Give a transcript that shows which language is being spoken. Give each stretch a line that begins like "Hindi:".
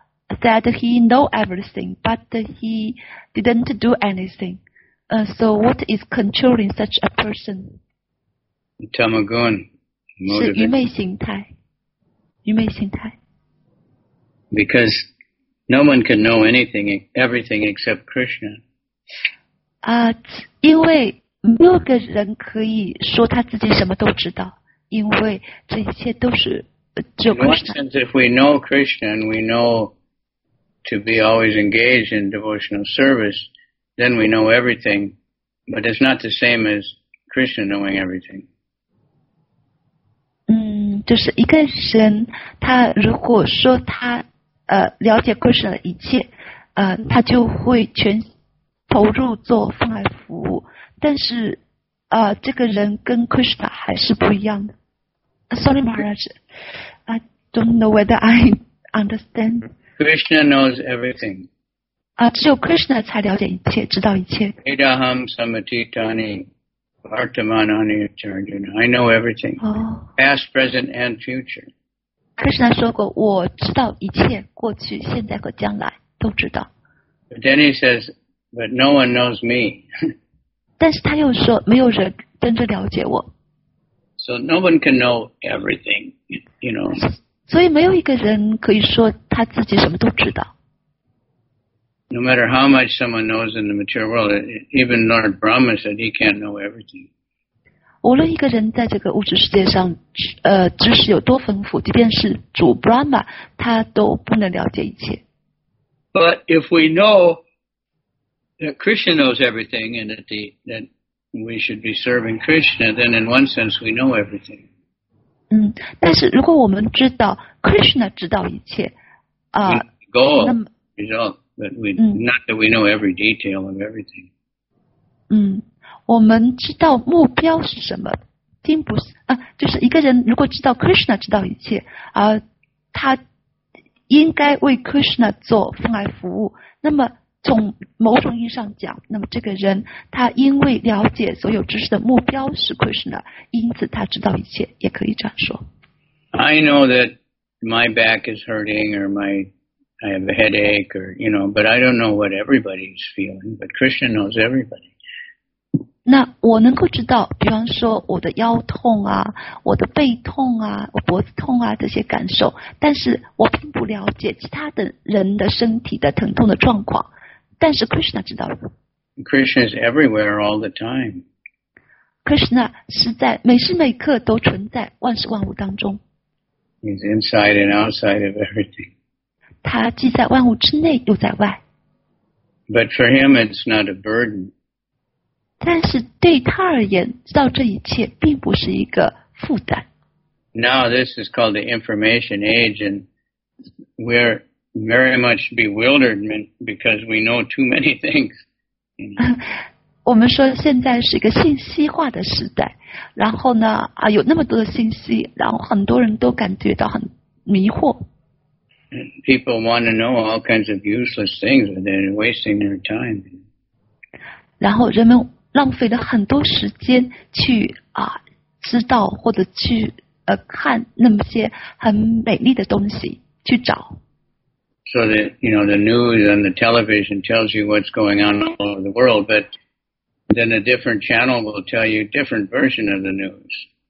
English: If someone who said he know everything, but he didn't do anything, so what is controlling such a person? Tamagun.
Chinese: 是愚昧心态。愚昧心态。
English: Because no one can know anything, everything except Krishna.
Chinese: 因为没有个人可以说他自己什么都知道。因为这一切都是只有 Krishna。
English: In one sense, if we know Krishna and we know to be always engaged in devotional service, then we know everything. But it's not the same as Krishna knowing everything.
Chinese: 就是一个人他如果说他了解 Krishna 的一切，他就会全投入做奉爱服务，但是这个人跟 Krishna 还是不一样的。
English: Sorry, Maharaj. I don't know whether I understand. Krishna knows everything.
Chinese: 只有 Krishna 才了解一切，知道一切。
Sanskrit: Vedaham samatitani vartamanani charjana.
English: I know everything. Past, present, and future.
Chinese: Krishna 说过，我知道一切，过去、现在和将来都知道。
English: But then he says, but no one knows me.
Chinese: 但是他又说，没有人真正了解我。
English: So no one can know everything, you know.
Chinese: 所以没有一个人可以说他自己什么都知道。
English: No matter how much someone knows in the material world, even Lord Brahma said he can't know everything.
Chinese: 无论一个人在这个物质世界上，知识有多丰富，即便是主 Brahma, 他都不能了解一切。
English: But if we know that Krishna knows everything and that we should be serving Krishna, then in one sense we know everything.
Chinese: 但是如果我们知道 Krishna 知道一切，
English: But we, not that we know every detail of everything.
Chinese: 我们知道目标是什么，并不是啊，就是一个人如果知道 Krishna 知道一切，他应该为 Krishna 做奉爱服务。那么从某种意义上讲，那么这个人他因为了解所有知识的目标是 Krishna, 因此他知道一切，也可以这样说。
English: I know that my back is hurting or my. I have a headache or, you know, but I don't know what everybody's feeling, but Krishna knows everybody.
Chinese: 那我能够知道，比方说我的腰痛啊，我的背痛啊，我脖子痛啊，这些感受，但是我并不了解其他的人的身体的疼痛的状况，但是 Krishna 知道了。
English: Krishna is everywhere all the time.
Chinese: Krishna 是在每时每刻都存在万事万物当中。
English: He's inside and outside of everything.
Chinese: 他既在万物之内又在外。
English: But for him, it's not a burden.
Chinese: 但是对他而言，知道这一切并不是一个负担。
English: Now this is called the information age, and we're very much bewildered because we know too many things.
Chinese: 我们说现在是一个信息化的时代，然后呢，有那么多的信息，然后很多人都感觉到很迷惑。
English: People want to know all kinds of useless things, but they're wasting their time.
Chinese: 然后人们浪费了很多时间去知道或者去看那么些很美丽的东西去找。
English: So that, you know, the news and the television tells you what's going on all over the world, but then a different channel will tell you a different version of the news.